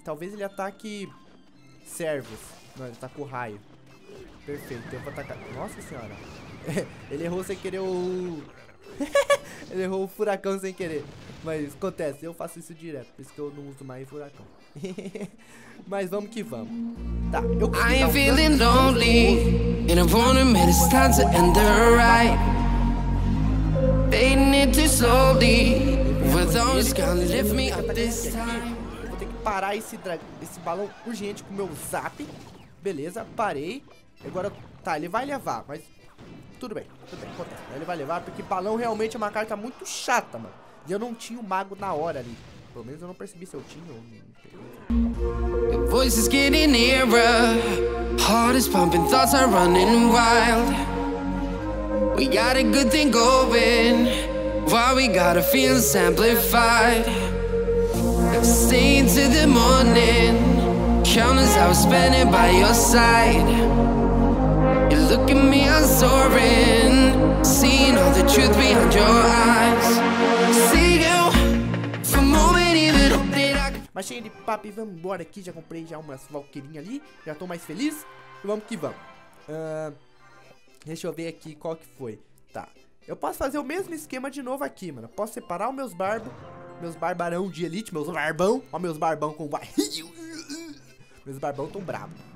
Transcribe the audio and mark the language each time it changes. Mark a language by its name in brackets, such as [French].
[Portuguese] Talvez ele ataque servos. Não, ele tá com raio. Perfeito, deu pra atacar. Nossa senhora. Ele errou sem querer o. Ele errou o furacão sem querer. Mas acontece, eu faço isso direto. Por isso que eu não uso mais furacão. Mas vamos que vamos. Tá, eu [English] I am feeling lonely and I wanna make it start to end right. Fading into slowly. [Portuguese] Eu vou ter que parar esse balão urgente com o meu zap. Beleza, parei. Agora, tá, ele vai levar, mas tudo bem, acontece. Ele vai levar, porque balão realmente é uma carta muito chata, mano. E eu não tinha o mago na hora ali. Pelo menos eu não percebi se eu tinha ou não. [English] Voices getting nearer. Heart is pumping, thoughts are running wild. We got a good thing going. Why we gotta feel simplified? Staying to the morning, countless hours spending by your side. You look at me, I'm soaring, seeing all the truth behind your eyes. See you for a moment, even hoping I can. [Portuguese] Mas cheio de papo e vambora aqui. Já comprei já umas valquirinhas ali. Já tô mais feliz. Vamos que vamos. Deixa eu ver aqui qual que foi. Tá. Eu posso fazer o mesmo esquema de novo aqui, mano. Posso separar os meus meus barbarão de elite, meus barbão. Ó, meus barbão com barril. Meus barbão tão bravo.